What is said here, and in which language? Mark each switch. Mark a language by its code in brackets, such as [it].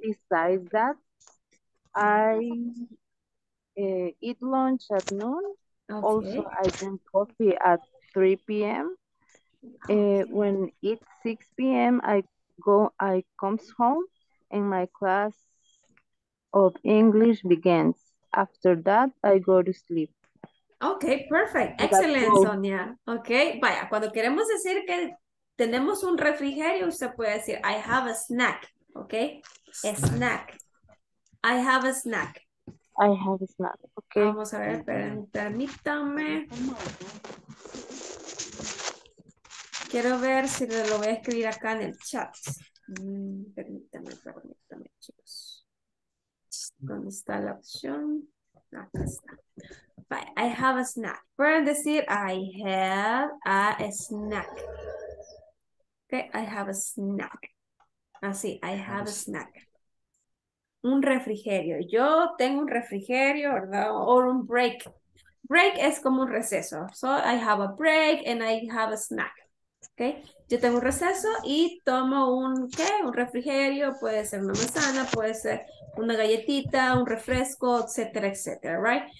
[en] Besides that, I eat lunch at noon. Okay. Also, I drink coffee at 3 p.m. When it's 6 p.m., I come home and my class of English begins. After that, I go to sleep. Okay, perfect. Excellent, Sonia. [es] Okay, vaya, cuando queremos decir que tenemos un refrigerio, usted puede decir, [en] I have a snack, okay? A snack. I have a snack. I have a snack, okay? [es] Vamos a ver, permítame. Quiero ver si lo voy a escribir acá en el chat. Permítame, chicos. ¿Dónde está la opción? Acá está. [en] I have a snack. [es] Pueden decir, [en] I have a snack. Okay, I have a snack. Así, I have a snack. [es] Un refrigerio. Yo tengo un refrigerio, ¿verdad? O un break. Break es como un receso. [en] So, I have a break and I have a snack. Okay. [es] Yo tengo un receso y tomo un, ¿qué? Un refrigerio, puede ser una manzana, puede ser una galletita, un refresco, etcétera, etcétera, right?